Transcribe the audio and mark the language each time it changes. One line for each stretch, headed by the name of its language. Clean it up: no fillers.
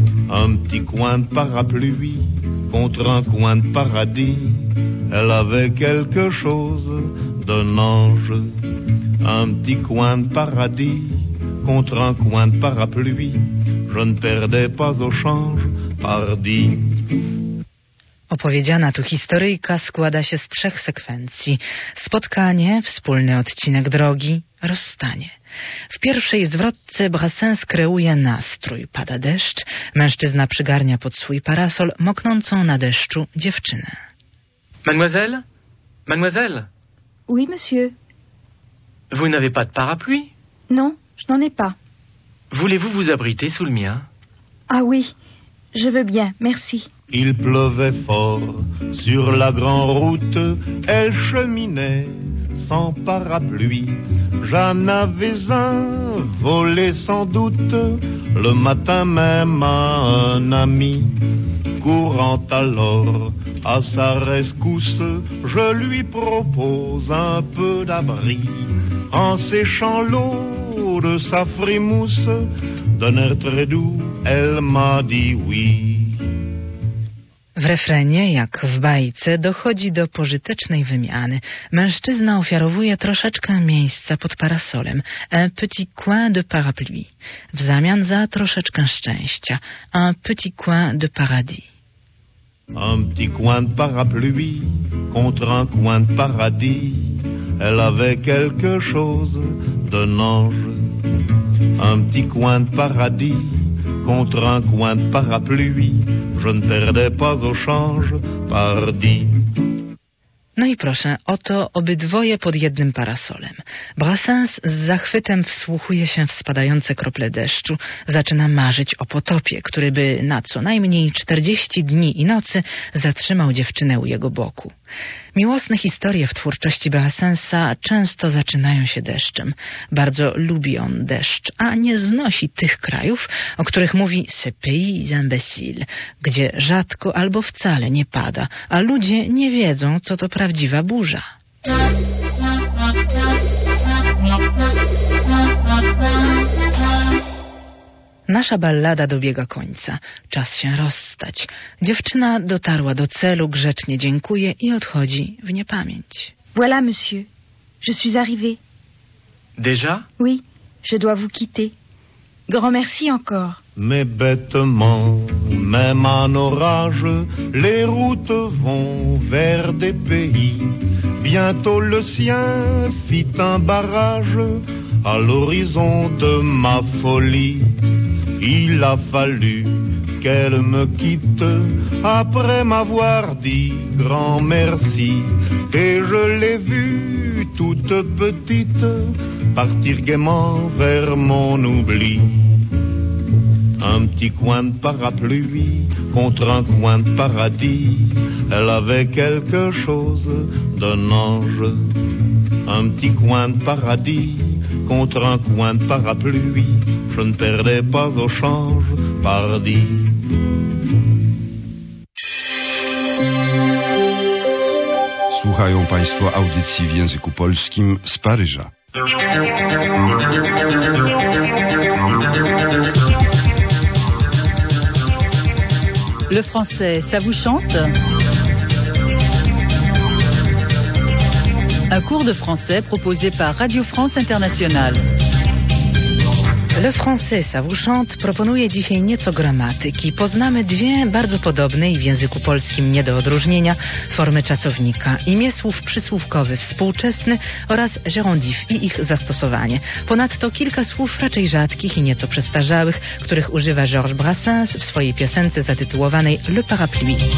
French: Un petit coin de parapluie contre un coin de paradis, elle avait quelque chose d'un ange. Un petit coin de paradis contre un coin de parapluie, je ne perdais pas au change, pardi.
Polish: Opowiedziana tu historyjka składa się z trzech sekwencji. Spotkanie, wspólny odcinek drogi, rozstanie. W pierwszej zwrotce Brassens kreuje nastrój. Pada deszcz, mężczyzna przygarnia pod swój parasol moknącą na deszczu dziewczynę.
French: Mademoiselle? Mademoiselle? Oui, monsieur. Vous n'avez pas de parapluie? Non, je n'en ai pas. Voulez-vous vous abriter sous le mien? Ah oui, je veux bien, merci. Il pleuvait fort sur la grande route, elle cheminait sans parapluie. J'en avais un volé sans doute, le matin même à un ami. Courant alors à sa rescousse, je lui propose un peu d'abri. En séchant l'eau de sa frimousse, d'un air très doux, elle m'a dit oui.
Polish: W refrenie, jak w bajce, dochodzi do pożytecznej wymiany. Mężczyzna ofiarowuje troszeczkę miejsca pod parasolem,
French: un petit coin de parapluie,
Polish: w zamian za troszeczkę szczęścia,
French: un petit coin de paradis. Un petit coin de parapluie contre un coin de paradis, elle avait quelque chose d'un ange. Un petit coin de paradis contre un coin de parapluie, je ne perdais pas au change, pardi.
Polish: No i proszę, oto obydwoje pod jednym parasolem. Brassens z zachwytem wsłuchuje się w spadające krople deszczu, zaczyna marzyć o potopie, który by na co najmniej 40 dni i nocy zatrzymał dziewczynę u jego boku. Miłosne historie w twórczości Brassensa często zaczynają się deszczem. Bardzo lubi on deszcz, a nie znosi tych krajów, o których mówi
French: «Ce pays imbécile»,
Polish: gdzie rzadko albo wcale nie pada, a ludzie nie wiedzą, co to prawdziwa burza. Nasza ballada dobiega końca. Czas się rozstać. Dziewczyna dotarła do celu, grzecznie dziękuję i odchodzi w niepamięć.
French: Voilà, monsieur. Je suis arrivée. Déjà? Oui, je dois vous quitter. Grand merci encore. Mais bêtement, même en orage, les routes vont vers des pays. Bientôt le sien fit un barrage à l'horizon de ma folie. Il a fallu qu'elle me quitte après m'avoir dit grand merci. Et je l'ai vue toute petite partir gaiement vers mon oubli. Un petit coin de parapluie contre un coin de paradis, elle avait quelque chose d'un ange. Un petit coin de paradis contre un coin de parapluie, je ne perdais pas au change, pardi.
Polish: Słuchają państwo audycji w języku polskim z Paryża.
French: Le français, ça vous chante? Un cours de français proposé par Radio France Internationale.
Polish: Le français, ça vous chante proponuje dzisiaj nieco gramatyki. Poznamy dwie bardzo podobne i w języku polskim nie do odróżnienia formy czasownika. Imię słów przysłówkowy współczesny oraz gérondif i ich zastosowanie. Ponadto kilka słów raczej rzadkich i nieco przestarzałych, których używa Georges Brassens w swojej piosence zatytułowanej Le Parapluie.